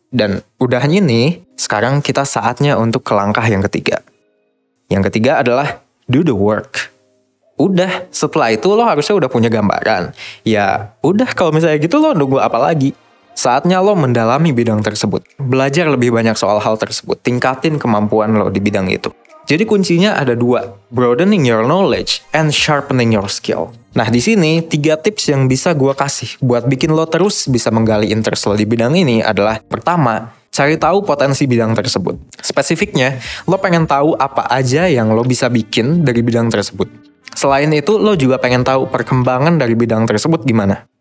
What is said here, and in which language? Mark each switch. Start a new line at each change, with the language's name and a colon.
Indonesian: Dan udahnya nih, sekarang kita saatnya untuk ke langkah yang ketiga. Yang ketiga adalah
English: do the work.
Indonesian: Udah, setelah itu lo harusnya udah punya gambaran. Ya, udah kalau misalnya gitu lo nunggu apa lagi? Saatnya lo mendalami bidang tersebut. Belajar lebih banyak soal hal tersebut. Tingkatin kemampuan lo di bidang itu. Jadi kuncinya ada 2.
English: Broadening your knowledge and sharpening your skill.
Indonesian: Nah di sini 3 tips yang bisa gue kasih buat bikin lo terus bisa menggali interest lo di bidang ini adalah, pertama, cari tahu potensi bidang tersebut. Spesifiknya, lo pengen tahu apa aja yang lo bisa bikin dari bidang tersebut. Selain itu, lo juga pengen tahu perkembangan dari bidang tersebut gimana.